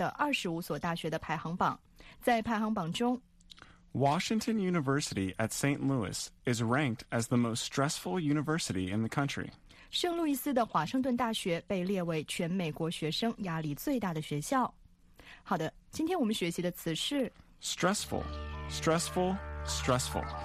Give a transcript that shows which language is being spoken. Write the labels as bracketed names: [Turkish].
[Chinese] 执法人员、出租车司机和公司主管属于美国各种职业中压力最大的行业。美国新闻周刊公布了2012年度压力最大的25所大学的排行榜。在排行榜中， [English] Washington University at St. Louis is ranked as the most stressful university in the country. [Chinese] 圣路易斯的华盛顿大学被列为全美国学生压力最大的学校。好的，今天我们学习的词是 [English] stressful, stressful, stressful.